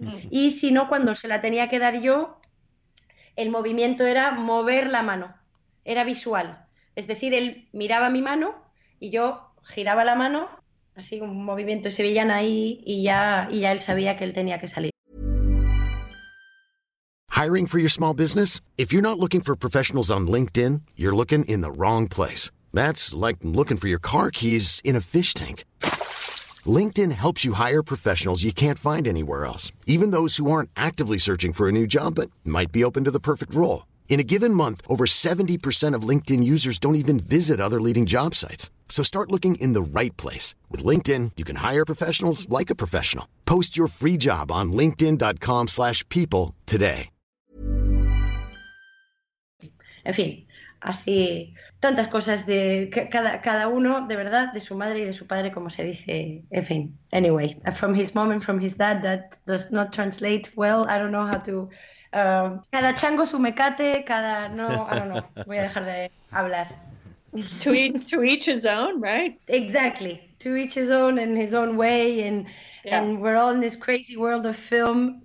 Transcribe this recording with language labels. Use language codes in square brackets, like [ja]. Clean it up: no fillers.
[es] Y si no, cuando se la tenía que dar yo, el movimiento era mover la mano, era visual. Es decir, él miraba mi mano y yo giraba la mano, así un movimiento sevillano ahí y ya él sabía que él tenía que salir. [en] Hiring for your small business? If you're not looking for professionals on LinkedIn, you're looking in the wrong place. That's like looking for your car keys in a fish tank. LinkedIn helps you hire professionals you can't find anywhere else, even those who aren't actively searching for a new job but might be open to the perfect role. In a given month, over 70% of LinkedIn users don't even visit other leading job sites. So start looking in the right place. With LinkedIn, you can hire professionals like a professional. Post your free job on linkedin.com/people today. [es] En fin, así tantas cosas de cada uno, de verdad, de su madre y de su padre, como se dice. En fin, [en] anyway, from his mom and from his dad, that does not translate well. I don't know how to. [es] Cada chango su mecate, cada no, [en] I don't know. [es] Voy a dejar de hablar. [en] To each his own, right? Exactly. To each his own and his own way, and yeah. And we're all in this crazy world of film.